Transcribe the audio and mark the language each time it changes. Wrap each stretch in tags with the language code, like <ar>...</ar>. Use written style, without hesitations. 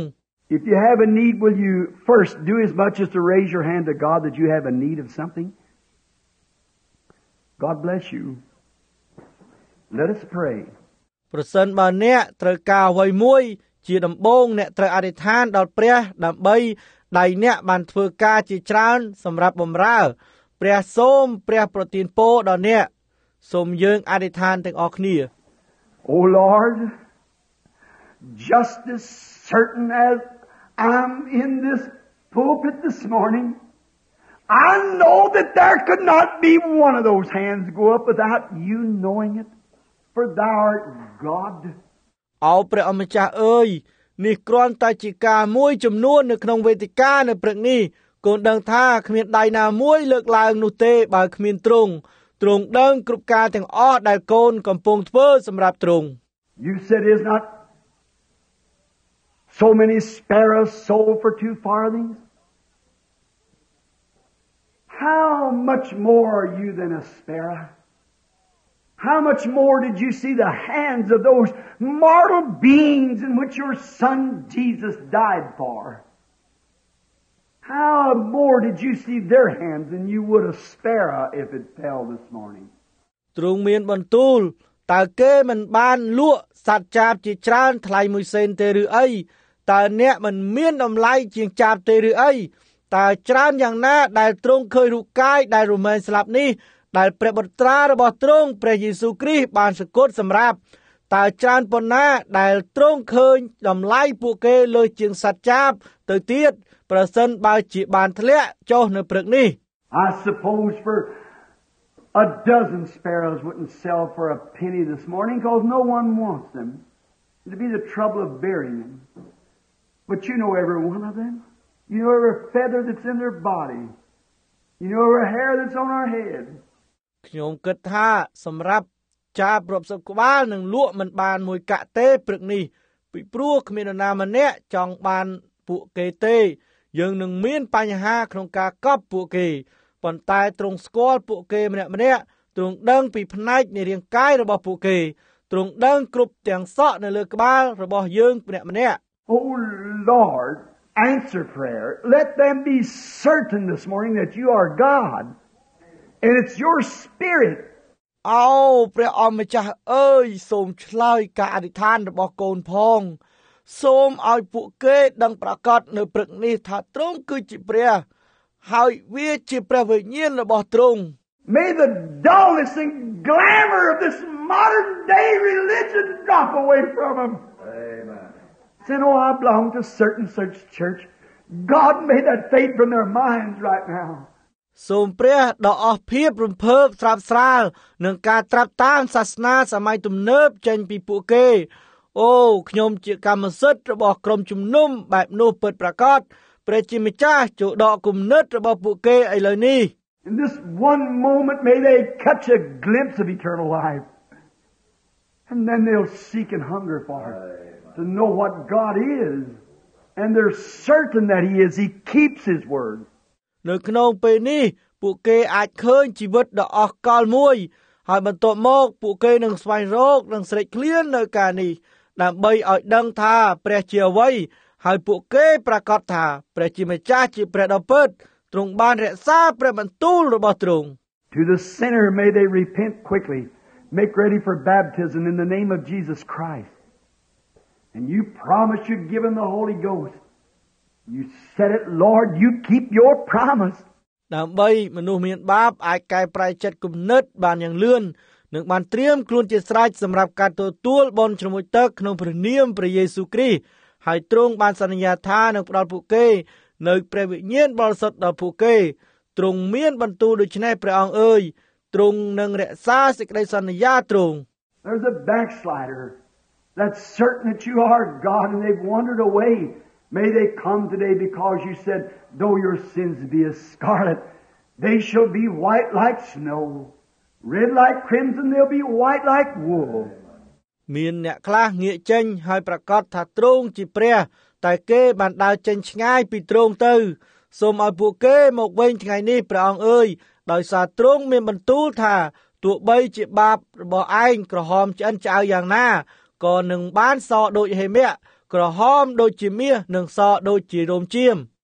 <en>If you have a need, will you first do as much as to raise your hand to God that you have a need of something? God bless you. Let us pray.</en> <km>ប្រសិនបើអ្នកត្រូវការអ្វីមួយជាដំបូងអ្នកត្រូវអធិដ្ឋានដល់ព្រះដើម្បីដៃអ្នកបានធ្វើការជាច្រើនសម្រាប់បម្រើព្រះសូមព្រះប្រទានពរដល់អ្នកសូមយើងអធិដ្ឋានទាំងអស់គ្នា</km> <en>Oh Lord, just as certain as I'm in this pulpit this morning, I know that there could not be one of those hands go up without you knowing it. For thou art God.</en> <km>អោព្រះអម្ចាស់អើយនេះគ្រាន់តែជាការមួយចំនួននៅក្នុងវេទិកានៅព្រឹកនេះកូនដឹងថាគ្មានដៃណាមួយលើកឡើងនោះទេបើគ្មានទ្រង់ទ្រង់ដឹងគ្រប់ការទាំងអស់ដែលកូនកំពុងធ្វើសម្រាប់ទ្រង់</km> <en>You said is not so many sparrows sold for two farthings? How much more are you than a sparrow? How much more did you see the hands of those mortal beings in which your son Jesus died for? How more did you see their hands than you would a sparrow if it fell this morning?</en> <km>ទ្រង់មានបន្ទូលតើគេមិនបានលក់សត្វចាបជាច្រើនថ្លៃមួយសេនទេឬអីតើអ្នកមិនមានតម្លៃជាងចាបទេឬអីតើច្រើនយ៉ាងណាដែលទ្រង់ឃើញរូបកាយដែលរមែងស្លាប់នេះដែលព្រះបុត្រារបស់ទ្រង់ព្រះយេស៊ូវគ្រីស្ទបានសគត់សម្រាប់តើច្រើនប៉ុណ្ណាដែលទ្រង់ឃើញតម្លៃពួកគេលើជាងសត្វចាបទៅទៀតប្រសិនបើជាបានធ្លាក់ចុះនៅព្រឹកនេះ</km> <en>I suppose for a dozen sparrows wouldn't sell for a penny this morning because no one wants them to be the trouble of burying them but you know every one of them you know every feather that's in their body you know every hair that's on our head</en> <km>ខ្ញុំគិតថាសម្រាប់ចាបរាប់សិបក្បាលនឹងលក់មិនបានមួយកាក់ទេព្រឹកនេះពីព្រោះគ្មាននរណាម្នាក់ចង់បានពួកគេទេយើងនឹងមានបញ្ហាក្នុងការកប់ពួកគេប៉ុន្តែទ្រង់ស្គាល់ពួកគេម្នាក់ម្នាក់ទ្រង់ដឹងពីផ្នែកនៃរាងកាយរបស់ពួកគេទ្រង់ដឹងគ្រប់ទាំងសក់នៅលើក្បាលរបស់យើងម្នាក់ម្នាក់</km> <en>Oh Lord answer prayer let them be certain this morning that you are GodAnd it's your spirit.</en> <km>Oh, ព្រះអម្ចាស់អើយសូមឆ្លើយការអធិដ្ឋានរបស់កូនផងសូមឲ្យពួកគេដឹងប្រកាសនៅព្រឹកនេះថាទ្រង់គឺជាព្រះហើយវាជាព្រះវិញ្ញាណរបស់ទ្រង់</km> <en>May the dullness and glamour of this modern day religion drop away from him. Amen. Since I belong to certain such church, God may that fade from their minds right now.</en> <km>សូមព្រះដ៏អស់ភាពរំភើបស្រាប់ស្រាលនឹងការត្រាប់តាមសាសនាសម័យទំនើបចេញពីពួកគេអូខ្ញុំជាកម្មសិទ្ធិរបស់ក្រុមជំនុំបែបនោះពិតប្រាកដព្រះជាម្ចាស់ចូលដកគំនិតរបស់ពួកគេឥឡូវនេះ</km> <en>In this one moment may they catch a glimpse of eternal life and then they'll seek and hunger for it to know what God is and they're certain that he is he keeps his word</en> <km>នៅក្នុងពេលនេះពួកគេអាចឃើញជីវិតដ៏អស់កល្បមួយហើយបន្ទាប់មកពួកគេនឹងស្វែងរកនឹងស្រេកឃ្លាននៅការនេះដើម្បីឲ្យដឹងថាព្រះជាអ្វីហើយពួកគេប្រកាសថាព្រះជាម្ចាស់ជាព្រះដ៏ពិតទ្រង់បានរក្សាព្រះបន្ទូលរបស់ទ្រង់</km> <en>To the sinner may they repent quickly make ready for baptism in the name of Jesus Christ and you promise you'd give him the Holy GhostYou said it, Lord, you keep your promise.</en> <km>ដើម្បីមនុស្សមានបាបអាចកែប្រែចិត្តគំនិតបានយ៉ាងលឿននិងបានត្រៀមខ្លួនជាស្រេចសម្រាប់ការទទួលបុណ្យជ្រមុជទឹកក្នុងព្រះនាមព្រះយេស៊ូវគ្រីស្ទហើយទ្រង់បានសន្យាថានឹងផ្ដល់ពួកគេនៅព្រះវិញ្ញាណបរិសុទ្ធដល់ពួកគេទ្រង់មានបន្ទូលដូច្នេះព្រះអង្គអើយទ្រង់នឹងរក្សាសេចក្តីសន្យាទ្រង់</km> <en>There's a backslider that's certain that you are God and they've wandered away. May they come today because you said, though your sins be as scarlet, they shall be white like snow. Red like crimson, they'll be white like wool.</en> <km>មានអ្នកខ្លះងាកចេញហើយប្រកាសថាទ្រង់ជាព្រះតែគេបានដើរចេញឆ្ងាយពីទ្រង់ទៅសូមឲ្យពួកគេមកវិញថ្ងៃនេះព្រះអង្គអើយដោយសារទ្រង់មានបន្ទូលថាទោះបីជាបាបរបស់ឯងក្រហមឆ្អិនឆៅយ៉ាងណាក៏នឹងបានសដូចហេមៈក្រហមដូចជាមាសនិងសដូចជារោមចៀម</km>